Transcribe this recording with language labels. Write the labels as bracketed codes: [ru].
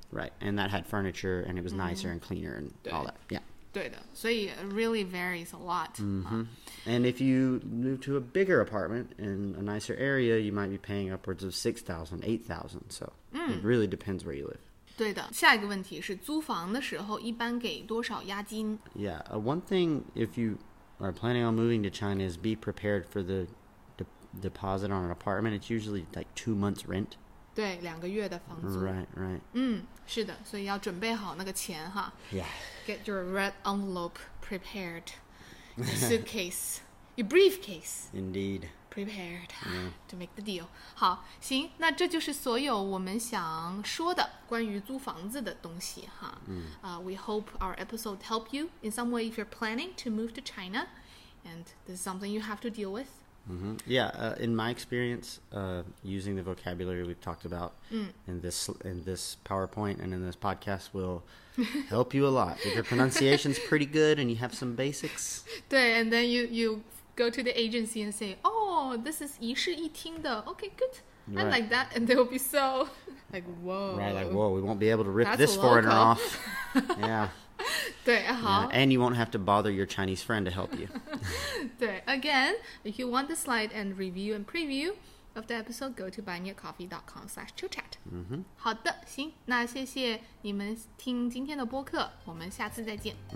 [en] right and that had furniture and it was nicer and cleaner and all that yeah [zh] 对的所以 [en] it really varies a lot and if you move to a bigger apartment in a nicer area you might be paying upwards of $6,000-$8,000 so it really depends where you live [zh] 对的下一个问题是租房的时候一般给多少押金 [en] yeah one thing if you are planning on moving to China is be prepared for theDeposit on an apartment, it's usually like 2 months rent. [zh] 对，两个月的房租。 [en] Right, right. [zh] 是的，所以要准备好那个钱哈。 [en] Yeah. Get your red envelope prepared. Suitcase. Your briefcase. Indeed. Prepared to make the deal. [zh] 好，行，那这就是所有我们想说的关于租房子的东西哈。 [en] We hope our episode help you in some way if you're planning to move to China. And this is something you have to deal with. In my experience, using the vocabulary we've talked about in this PowerPoint and in this podcast will help you a lot. If your pronunciation's pretty good and you have some basics. 对, and then you go to the agency and say, oh, this is 一室一厅的. Okay, good. Right. I like that. And they'll be so, like, whoa. Right, like, whoa, we won't be able to rip this foreigner off. Yeah. 对, huh? Yeah, and you won't have to bother your Chinese friend to help you. 对, again, if you want the slide and review and preview of the episode, go to buymeacoffee.com/chitchat. [zh] 好的，行，那谢谢你们听今天的播客，我们下次再见。